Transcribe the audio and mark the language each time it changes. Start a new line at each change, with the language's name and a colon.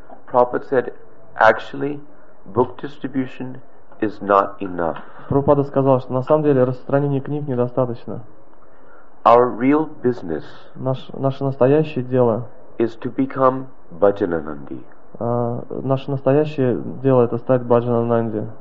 English: Prabhupada said, actually, book distribution is not enough.
Russian: Прабхупада сказал, что на самом деле распространение книг недостаточно.
English: Our real business.
Russian: Наше настоящее дело.
English: Is to become Bhajanananda.
Russian: Наше настоящее дело — это стать Bhajanananda.